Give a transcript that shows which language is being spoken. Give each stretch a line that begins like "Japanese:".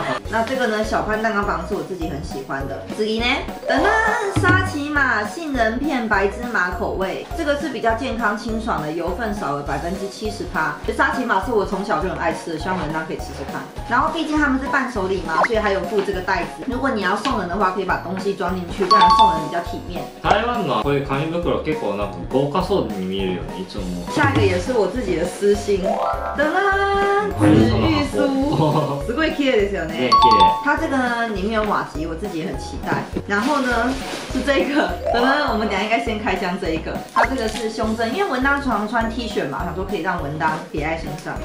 Chinese: 那这个呢，小潘蛋糕房是我自己很喜欢的。次呢，等等，沙琪玛杏仁片白芝麻口味，这个是比较健康清爽的，油分少了70%。沙琪玛是我从小就很爱吃的，希望文章可以吃吃看。然后毕竟他们是伴手礼嘛，所以还有附这个袋子。如果你要送人的话，可以把东西装进去，这样送人比较体面。台湾的
Japanese: こういう紙袋結構なんか豪華そうに見えるよね、いつも。
Chinese: 下一个也是我自己的私心，等等，紫玉酥，
Japanese: すごい綺麗ですよね。
Chinese: 它这个呢里面有瓦吉，我自己也很期待。然后呢是这个，等等，我们等一下应该先开箱这一个。它这个是胸针，因为文章常穿 T 恤嘛，想说可以让文章别在身上。